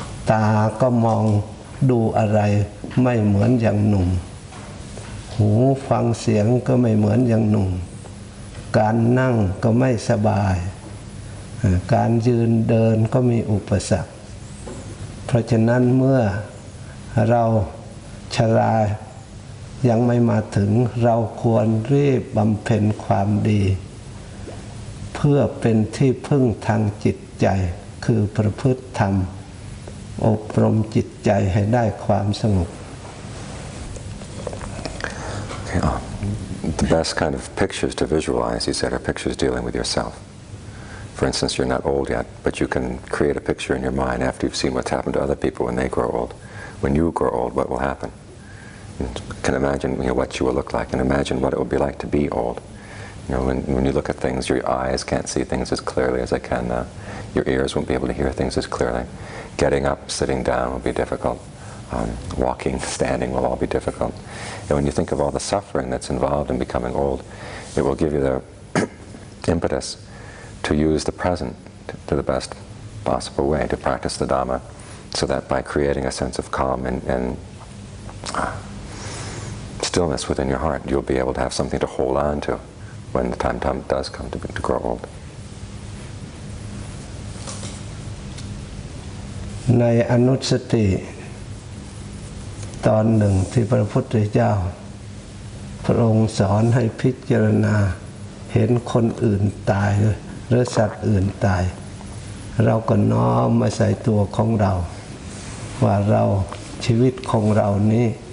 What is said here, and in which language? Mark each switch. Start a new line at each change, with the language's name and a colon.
Thai: ตาก็มองดูอะไรไม่เหมือนอย่างหนุ่มหูฟังเสียงก็ไม่เหมือนอย่างหนุ่มการนั่งก็ไม่สบายการยืนเดินก็มีอุปสรรคเพราะฉะนั้นเมื่อเราชรายังไม่มาถึงเราควรรีบบำเพ็ญความดี เพื่อเป็นที่พึ่งทางจิตใจคือประพฤติธรรมอบรมจิตใจให้ได้ความสงบ
English: The best kind of pictures to visualize, he said, are pictures dealing with yourself. For instance, you're not old yet, but you can create a picture in your mind after you've seen what's happened to other people when they grow old. When you grow old, what will happen? You can imagine what you will look like and imagine what it will be like to be old. You know, when you look at things, your eyes can't see things as clearly as they can now. Your ears won't be able to hear things as clearly. Getting up, sitting down will be difficult. Walking, standing will all be difficult. And when you think of all the suffering that's involved in becoming old, it will give you the impetus to use the present to the best possible way, to practice the Dhamma, so that by creating a sense of calm and stillness within your heart, you'll be able to have something to hold on to when the time does come to grow old.
Thai: ในอนุสติตอนหนึ่งที่พระพุทธเจ้าพระองค์สอนให้พิจารณาเห็นคนอื่นตายหรือสัตว์อื่นตายเราก็น้อมมาใส่ตัวของเราว่าเราชีวิตของเรานี้